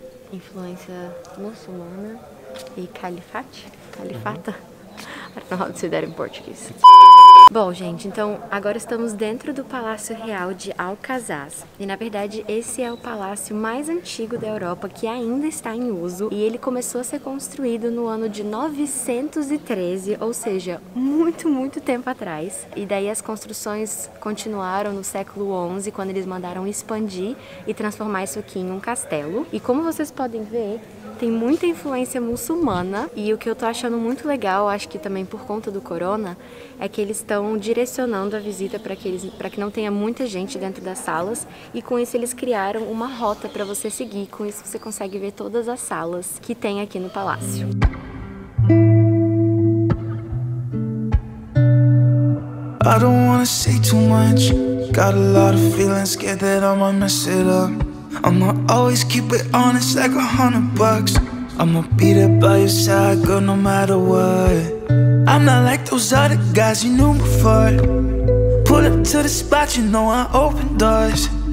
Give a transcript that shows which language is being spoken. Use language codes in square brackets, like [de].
[pt] Influência muçulmana e Califate. Califata. [en] I don't know how to say that in Portuguese. [pt] Bom, gente, então agora estamos dentro do Palácio Real de Alcazaz. E, na verdade, esse é o palácio mais antigo da Europa que ainda está em uso. E ele começou a ser construído no ano de 913, ou seja, muito, muito tempo atrás. E daí as construções continuaram no século XI, quando eles mandaram expandir e transformar isso aqui em um castelo. E como vocês podem ver, tem muita influência muçulmana. E o que eu tô achando muito legal, acho que também por conta do corona, é que eles estão direcionando a visita para que não tenha muita gente dentro das salas. E com isso eles criaram uma rota para você seguir. Com isso você consegue ver todas as salas que tem aqui no palácio. [en] I don't wanna say too much. Got a lot of feelings, scared that I might mess it up. I'ma always keep it honest like $100. I'ma be there by your side, girl, no matter what. I'm not like those other guys you knew before. Pull up to the spot, you know I open doors.